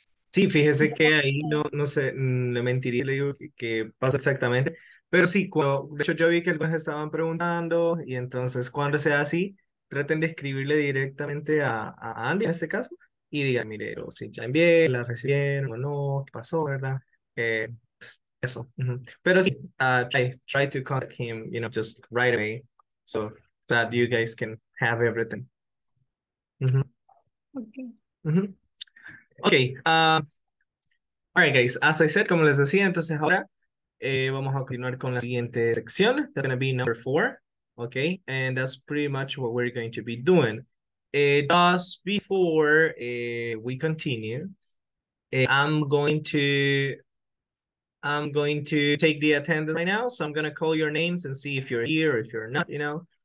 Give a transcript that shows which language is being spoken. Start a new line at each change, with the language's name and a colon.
Spanish: Sí, fíjese que ahí no sé, le mentiría, le digo que pasó exactamente, pero sí, cuando, de hecho yo vi que algunos estaban preguntando y entonces cuando sea así, traten de escribirle directamente a Andy en este caso y digan, mire, o si ya envié, la recibieron o no, qué pasó, ¿verdad? Eso. Pero sí,
English: try to contact him, you know, just right away, so that you guys can have everything. Okay. Okay. All right, guys. As I said,
Spanish: como les decía, entonces ahora vamos a continuar con la siguiente sección.
English: That's gonna be number four, okay? And that's pretty much what we're going to be doing. Just before we continue, I'm going to take the attendance right now. So I'm gonna call your names and see if you're here or if you're not, you know.